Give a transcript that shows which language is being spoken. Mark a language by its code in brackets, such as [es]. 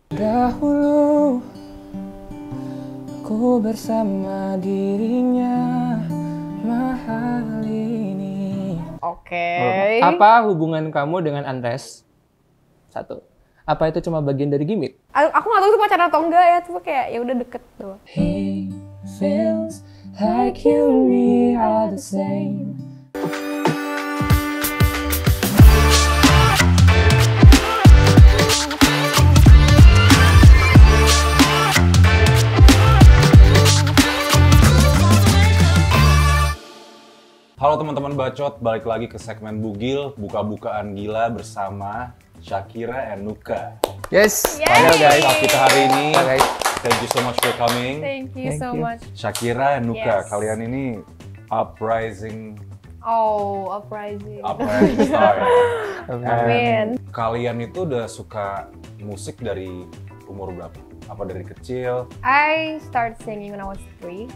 [id] Dahulu ku bersama dirinya mahal ini. Oke. Apa hubungan kamu dengan Andres? Satu. Apa itu cuma bagian dari gimmick? Aku nggak tahu itu pacaran atau enggak ya, cuma kayak ya udah deket doang. [en] He feels like you and me are the same. [id] Halo teman-teman bacot, balik lagi ke segmen Bugil, buka-bukaan gila bersama Shakira and Nuka. [en] Yes, [id] panel guys, kita hari ini. [en] Thank you so much for coming. Thank you so much. [id] Shakira and Nuka, yes. Kalian ini uprising. [en] Uprising star. [id] Amin. Kalian itu udah suka musik dari umur berapa? Apa dari kecil? [en] I start singing when I was 3.